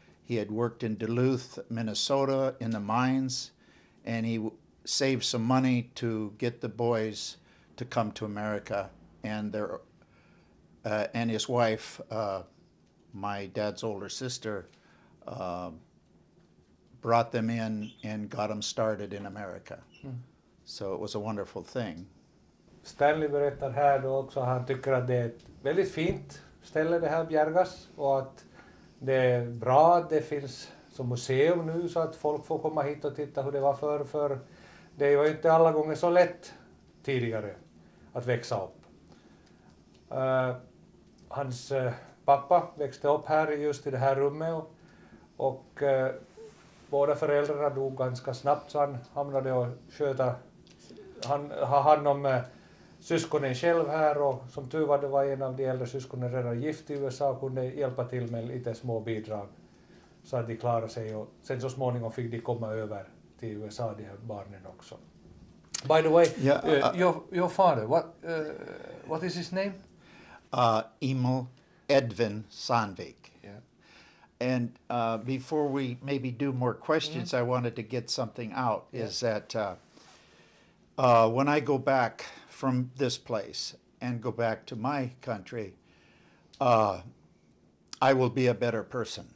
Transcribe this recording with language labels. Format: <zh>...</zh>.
<en>He had worked in Duluth, Minnesota, in the mines, and he saved some money to get the boys to come to America. And their and his wife, my dad's older sister, brought them in and got them started in America. Mm. So it was a wonderful thing.</en> <sv>Stanley berättar här då också, han tycker att det är ett väldigt fint ställe det här Bjärgas, och att det är bra att det finns som museum nu så att folk får komma hit och titta hur det var förr. För det var ju inte alla gånger så lätt tidigare att växa upp. Hans pappa växte upp här just i det här rummet och båda föräldrarna dog ganska snabbt så han hamnade och sköta. Han har hand om syskonen själv här och som tur var det var en av de äldre syskonen redan gift i USA och kunde hjälpa till med lite små bidrag så att de klarade sig och sen så småningom fick de komma över till USA de här barnen också.</sv> <en>By the way, your father, what is his name? Emil Edvin Sandvik. Yeah. And before we maybe do more questions, I wanted to get something out, is that when I go back from this place and go back to my country, I will be a better person.</en>